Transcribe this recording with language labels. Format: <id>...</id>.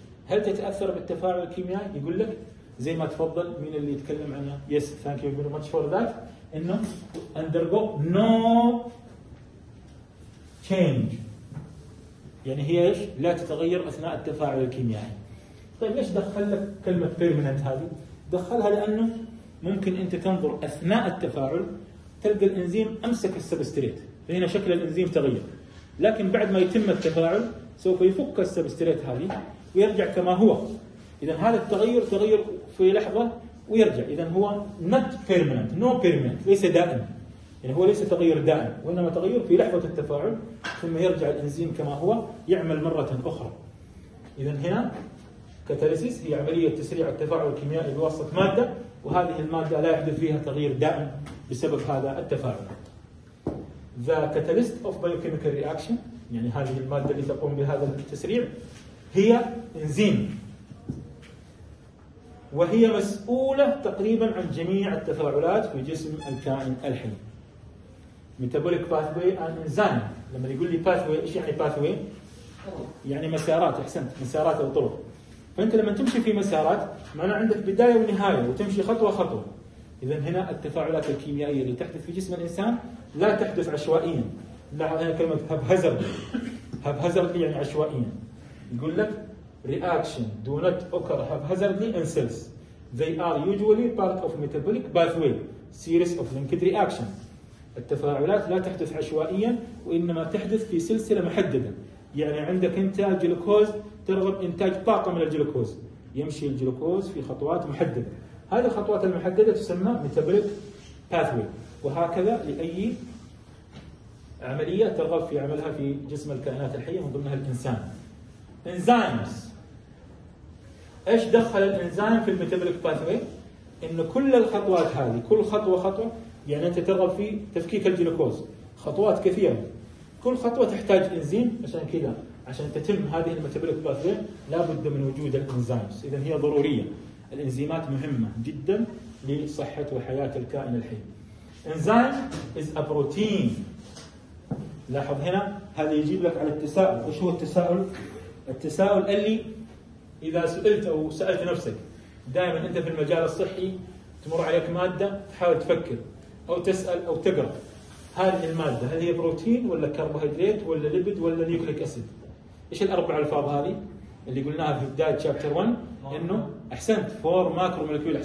<ar>هل تتأثر بالتفاعل الكيميائي؟ يقول لك زي ما تفضل مين اللي يتكلم عنه؟</ar> <en>Yes, thank you very much for that.</en> <ar>إنه</ar> <en>undergo no change.</en> <ar>يعني هي إيش؟ لا تتغير أثناء التفاعل الكيميائي. طيب ليش دخل لك كلمة permanent هذه؟ دخلها لأنه ممكن أنت تنظر أثناء التفاعل تلقى الإنزيم أمسك السبستريت. فهنا شكل الإنزيم تغير. لكن بعد ما يتم التفاعل سوف يفك السبستريت هذه ويرجع كما هو. إذا هذا التغير تغير في لحظة ويرجع. إذا هو</ar> <en>not permanent, no permanent,</en> <ar>ليس دائم. يعني هو ليس تغير دائم وإنما تغير في لحظة التفاعل ثم يرجع الإنزيم كما هو يعمل مرة أخرى. إذا هنا كاتاليسيس هي عملية تسريع التفاعل الكيميائي بواسطة مادة, وهذه المادة لا يحدث فيها تغيير دائم بسبب هذا التفاعل.</ar> <en>The catalyst of biochemical reaction,</en> <ar>يعني هذه المادة اللي تقوم بهذا التسريع, هي إنزيم, وهي مسؤولة تقريبا عن جميع التفاعلات في جسم الكائن الحي.</ar> <en>Metabolic pathway and enzyme.</en> <ar>لما يقول لي pathway إيش يعني pathway؟ يعني مسارات. أحسنت, مسارات أو طرق. فأنت لما تمشي في مسارات معناه عندك بداية ونهاية وتمشي خطوة خطوة. إذا هنا التفاعلات الكيميائية اللي تحدث في جسم الإنسان لا تحدث عشوائيا. لا, هنا كلمة haphazard. haphazard يعني عشوائيا. يقول لك</ar> <en>reaction do not occur haphazardly in cells. They are usually part of metabolic pathway, series of linked reaction.</en> <ar>التفاعلات لا تحدث عشوائيا وإنما تحدث في سلسلة محددة. يعني عندك أنت جلوكوز ترغب إنتاج طاقة من الجلوكوز, يمشي الجلوكوز في خطوات محددة. هذه الخطوات المحددة تسمى metabolic pathway. وهكذا لأي عملية ترغب في عملها في جسم الكائنات الحية من ضمنها الإنسان. إنزيمز, إيش دخل الإنزيم في الميتابوليك باثوي؟ إنه كل الخطوات هذه, كل خطوة خطوة, يعني أنت ترغب في تفكيك الجلوكوز, خطوات كثيرة, كل خطوة تحتاج إنزيم. عشان كذا عشان تتم هذه الميتابوليك باثوي لابد من وجود الإنزيمز. إذا هي ضرورية, الإنزيمات مهمة جدا لصحة وحياة الكائن الحي.</ar> <en>Enzyme is a protein.</en> <ar>لاحظ هنا هذا يجيب لك على التساؤل. وش هو التساؤل؟ التساؤل اللي إذا سألت أو سألت نفسك دائما أنت في المجال الصحي تمر عليك مادة تحاول تفكر أو تسأل أو تقرأ, هذه المادة هل هي بروتين ولا كربوهيدرات ولا ليبيد ولا نيوكليك أسيد؟ إيش الأربع ألفاظ هذه اللي قلناها في بداية شابتر 1؟ إنه أحسنت, فور ماكرو مولكيول.</ar>